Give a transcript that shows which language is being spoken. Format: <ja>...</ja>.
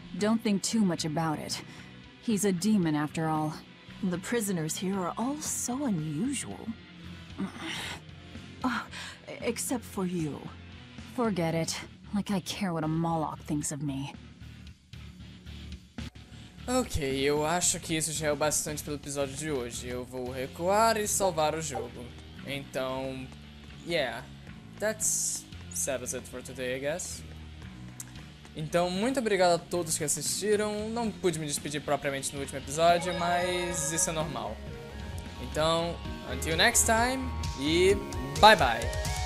<en>Don't think too much about it. He's a demon, after all. The prisoners here are all so unusual. Except for you. Forget it. Like I care what a Moloch thinks of me.</en> <pt>Ok, eu acho que isso já é o bastante pelo episódio de hoje. Eu vou recuar e salvar o jogo. Então,</pt> <en>yeah, that's settles it for today, I guess.</en> <pt>Então, muito obrigado a todos que assistiram. Não pude me despedir propriamente no último episódio, mas isso é normal. Então,</pt> <en>until next time</en> <pt>e</pt> <en>bye bye!</en>